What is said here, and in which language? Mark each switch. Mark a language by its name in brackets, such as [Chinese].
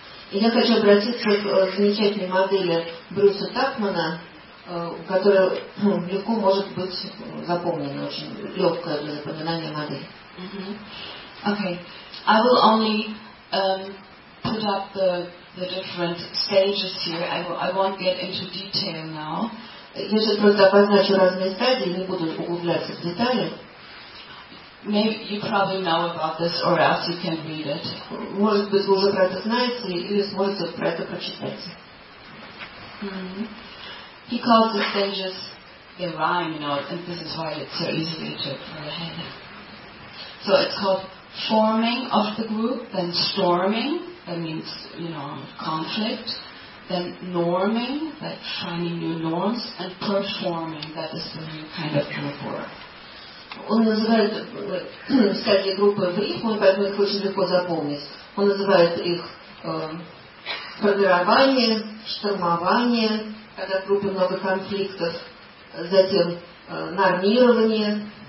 [Russian] И я хочу обратиться к замечательной модели Брюса Такмана, которая легко может быть запомнена, очень легкая для запоминания модель. [English] Mm-hmm. Okay. I will only put up the different stages here. I won't get into detail now. [Russian] Я сейчас просто обозначу разные стадии, не буду углубляться в детали. [English] Maybe you probably know about this, or else you can read it. [Russian] Может быть, вы уже про это знаете или сможете про это прочитать. Mm-hmm. [English] He calls the stages in rhyme, you know, and this is why it's so easy to put for the head. So it's called forming of the group, then storming, that means, you know, conflict, then norming, like finding new norms, and performing, that is the new kind of group work. [Russian] Он называет всякие группы в рифму, поэтому их очень легко запомнить. Он называет их формирование, штормование, когда в группе много конфликтов, затем нормирование,